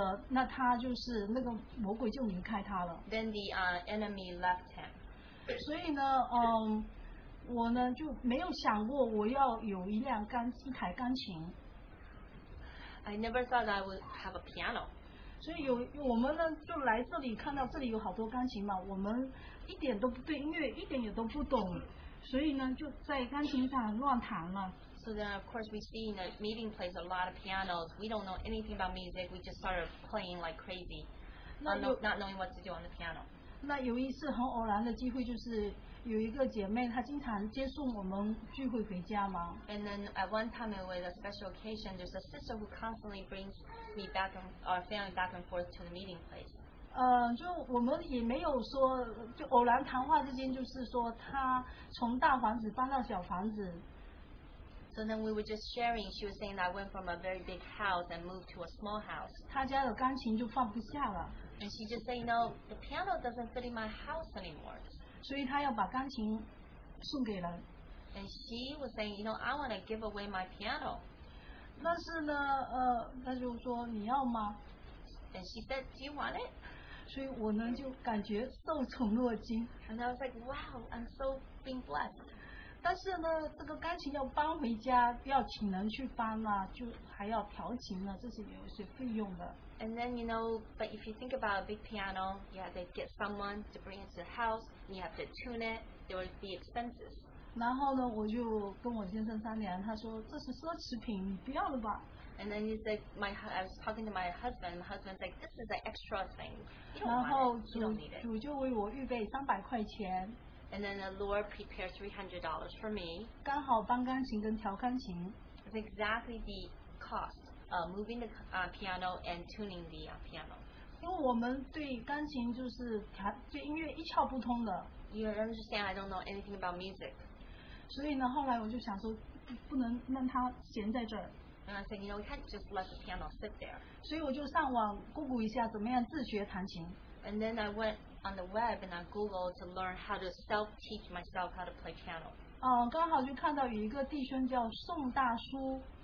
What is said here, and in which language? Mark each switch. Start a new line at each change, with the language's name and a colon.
Chinese: 那他就是那个魔鬼就离开他了。
English: Then the enemy left him.
Chinese: 所以呢，我呢就没有想过我要有一辆钢琴。
English: I never thought I would have a piano.
Chinese: 所以我们呢就来这里看到这里有好多钢琴嘛，我们一点都不对音乐一点也都不懂，所以呢就在钢琴上乱弹了。
English: So then, of course, we see in the meeting place a lot of pianos. We don't know anything about music. We just started playing like crazy, not knowing what to do on the piano.
Chinese: 那有一次很偶然的机会，就是有一个姐妹，她经常接送我们聚会回家嘛。
English: And then at one time, it was a special occasion. There's a sister who constantly brings me back and our family back and forth to the meeting place.
Chinese: 就我们也没有说，就偶然谈话之间，就是说她从大房子搬到小房子。
English: So then we were just sharing. She was saying that I went from a very big house and moved to a small house.
Chinese: 她家的钢琴就放不下了。
English: And she just said, "No, the piano doesn't fit in my house anymore."
Chinese: 所以她要把钢琴送给人。
English: And she was saying, "You know, I want to give away my piano."
Chinese: 但是呢，她就说你要吗
English: ？And she said, "Do you want it?"
Chinese: 所以我呢就感觉受宠若惊。
English: And I was like, "Wow, I'm so being blessed."
Chinese: 但是呢，这个钢琴要搬回家，要请人去搬啦、啊，就还要调琴呢，这是有一些费用的。
English: And then you know, but if you think about a big piano, you have to get someone to bring it to the house, and you have to tune it. There will be expenses.
Chinese: 然后呢，我就跟我先生商量，他说这是奢侈品，你不要了吧。
English: And then he said, I was talking to my husband's like, this is an extra thing. You don't want it.
Chinese: 主就为我预备300块钱。
English: And then the Lord prepared $300 for me.
Chinese: 刚好搬钢琴跟调钢琴
English: It's exactly the cost moving the piano and tuning the piano.
Chinese: 因为我们对钢琴就是音乐一窍不通的。
English: You understand? I don't know anything about music.
Chinese: 所以呢，后来我就想说，不能让它闲在这儿。
English: And I said, you know, we can't just let the piano sit there.
Chinese: 所以我就上网Google一下怎么样自学弹琴。
English: And then I went on the web and I Googled to learn how to self-teach myself how to play piano.
Chinese: 刚好就看到有一个弟兄叫宋大叔。